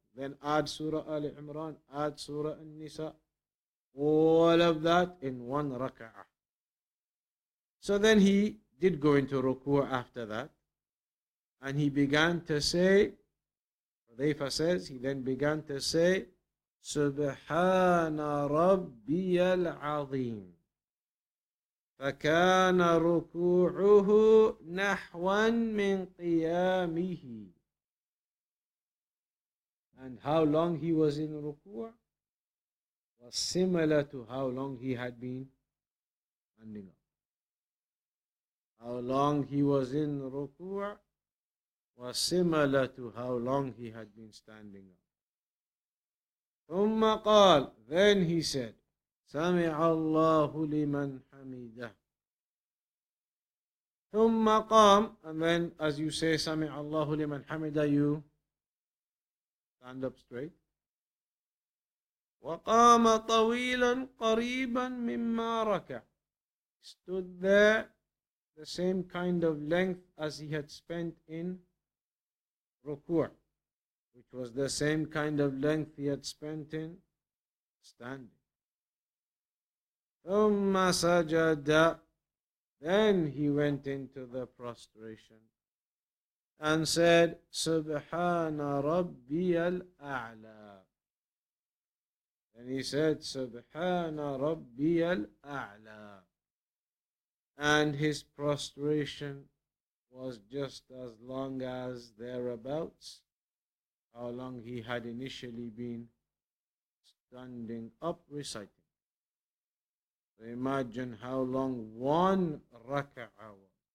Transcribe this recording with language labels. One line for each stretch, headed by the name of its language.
English: Then add Surah Ali Imran, add Surah An-Nisa. All of that in one raka'ah. So then he did go into ruku' after that. And he began to say, Hudhayfa says, he then began to say,
Arabic: Subhana Rabbiyal Azeem. فكان ركوعه نحوا من قيامه.
English: And how long he was in ruku' was similar to how long he had been standing up. How long he was in ruku' was similar to how long he had been standing up.
Arabic: ثم قال,
English: then he said,
Arabic: سمع الله لمن حمده. ثم قام,
English: and then as you say
Arabic: سمع الله لمن حمده,
English: you stand up straight.
Arabic: وقام طويلا قريبا مما ركع.
English: Stood there the same kind of length as he had spent in ركوع, which was the same kind of length he had spent in standing.
Arabic: ثم سجد,
English: then he went into the prostration and said,
Arabic: سبحان ربي الأعلى.
English: Then he said,
Arabic: سبحان ربي الأعلى.
English: And his prostration was just as long as thereabouts, how long he had initially been standing up reciting. So imagine how long one raka'ah was.